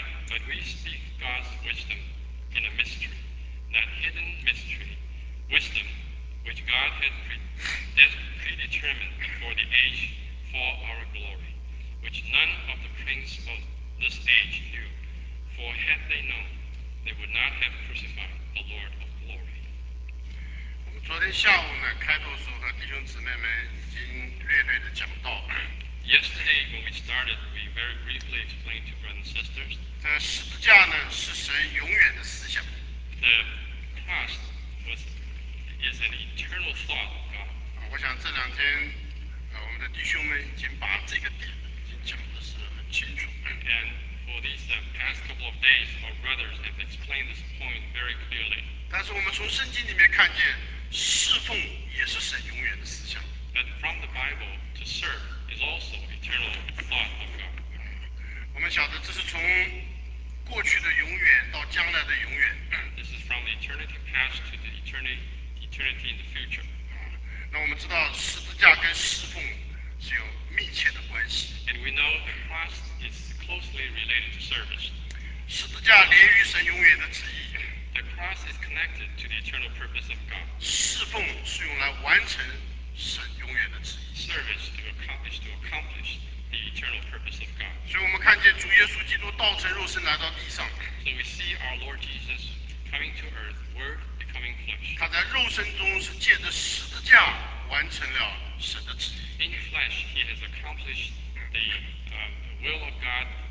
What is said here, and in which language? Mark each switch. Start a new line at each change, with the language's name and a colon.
English: But we speak God's wisdom in a mystery, that hidden mystery, wisdom which God had predetermined before the age for our glory, which none of the princes of this age knew. For had they known, they would not have crucified the Lord of glory.
Chinese: 我们昨天下午呢，开头时候和弟兄姊妹们已经略略的讲到了。
English: Yesterday, when we started, we very briefly explained to brothers and sisters.
Chinese: 这十字架呢，是神永远的思想。
English: The cross was is an eternal thought of God.
Chinese: 我想这两天，我们的弟兄们已经把这个点已经讲的是很清楚。
English: And for these past couple of days, our brothers have explained this point very clearly.
Chinese: 但是我们从圣经里面看见，侍奉也是神永远的思想。
English: But from the Bible, to serve. Is also eternal thought of God.
Chinese: 我们晓得这是从过去的永远到将来的永远。
English: This is from the eternity past to the eternity in the future.
Chinese: 那我们知道十字架跟侍奉是有密切的关系。
English: And we know the cross is closely related to service.
Chinese: 十字架连于神永远的旨意。
English: The The cross is connected to the eternal purpose of God.
Chinese: 侍奉是用来完成神永远的旨意。
English: Service to accomplish the eternal purpose of God.
Chinese: 所以我们看见主耶稣基督道成肉身来到地上。
English: So we see our Lord Jesus coming to earth, Word becoming flesh.
Chinese: 他在肉身中是借着十字架完成了神的旨意。
English: In flesh, he has accomplished the will of God.